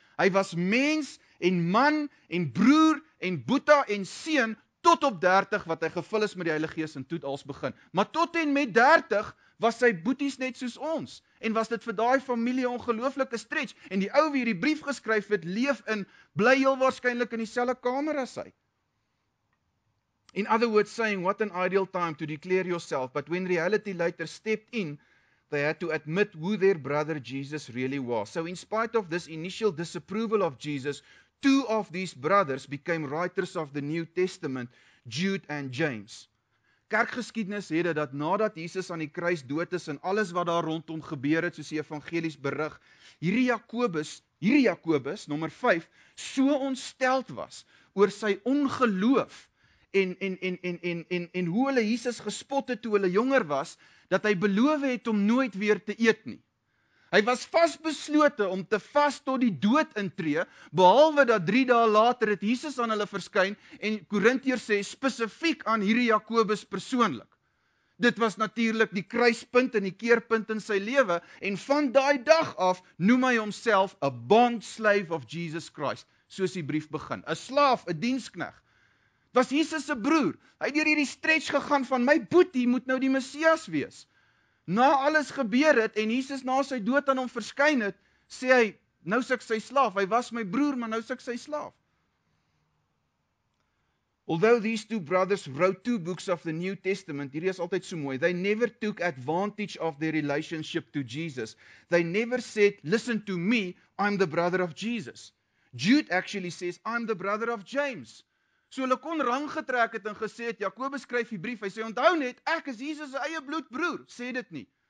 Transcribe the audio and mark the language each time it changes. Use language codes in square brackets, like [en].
[af] Hy was mens en man en broer en Boeta en Seun, tot op 30 wat hy gevul is met die Heilige Gees en toe als begin. Maar tot en met 30 was sy boeties net soos ons. En was dit vir daai familie ongelooflike stretch. En die ou wie die brief geskryf het, leef in, bly heel waarskynlik in dieselfde kamer as hy. [en] In other words, saying, what an ideal time to declare yourself, but when reality later stepped in, they had to admit who their brother Jesus really was. So in spite of this initial disapproval of Jesus, two of these brothers became writers of the New Testament, Jude and James. [af] Kerkgeskiedenis het dat nadat Jesus aan die kruis dood is en alles wat daar rondom gebeur het, soos die evangelies berig, hierdie Jakobus, nommer 5, so ontsteld was oor sy ongeloof en hoe hulle Jesus gespot het toe hulle jonger was, dat hy beloof het om nooit weer te eet nie. Hy was vastbeslote om te vast tot die dood intree, behalwe dat 3 dae later het Jesus aan hulle verskyn, en Korintiërs sê spesifiek aan hierdie Jakobus persoonlik. Dit was natuurlijk die kruispunt en die keerpunt in sy leven, en van die dag af noem hy homself [en] a bond slave of Jesus Christ, [af] soos die brief begin, a slaaf, a dienskneg. Het was Jesus' broer, hy het hier die stretch gegaan van, my boetie moet nou die Messias wees. Na alles gebeur het, en Jesus na sy dood aan hom verskyn het, sê hy, nou is ek sy slaaf, hy was my broer, maar nou is ek sy slaaf. [en] Although these two brothers wrote 2 books of the New Testament, [af] hier is altyd so mooi, [en] they never took advantage of their relationship to Jesus. They never said, listen to me, I'm the brother of Jesus. Jude actually says, I'm the brother of James. [af] So hulle kon rang getrek het en gesê het, Jakobus skryf die brief, hy sê, onthou net, ek is Jesus' eie bloedbroer, sê dit nie.